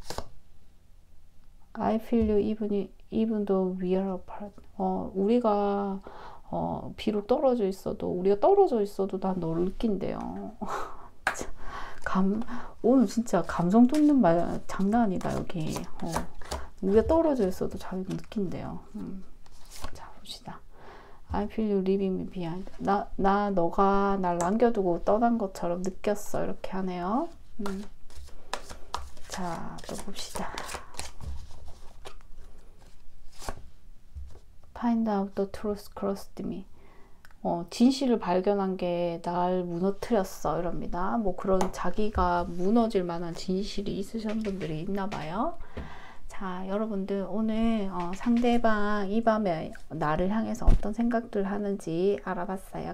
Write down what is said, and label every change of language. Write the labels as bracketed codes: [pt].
[ko] 봅시다. [en] I feel you even though we are apart. [ko] 우리가 비록 떨어져 있어도, 우리가 떨어져 있어도 난널 느낀대요. 오늘 진짜 감성 돋는 말 장난이다, 여기. 우리가 떨어져 있어도 자기가 느낀대요. 자, 봅시다. [en] I feel you leaving me behind. [ko] 나 너가 날 남겨두고 떠난 것처럼 느꼈어. 이렇게 하네요. 자, 또 봅시다. [en] Find out the truth crossed me. [ko] 진실을 발견한 게날 무너뜨렸어. 이럽니다. 뭐 그런 자기가 무너질 만한 진실이 있으신 분들이 있나 봐요. 자, 여러분들, 오늘 상대방 이 밤에 나를 향해서 어떤 생각들 하는지 알아봤어요.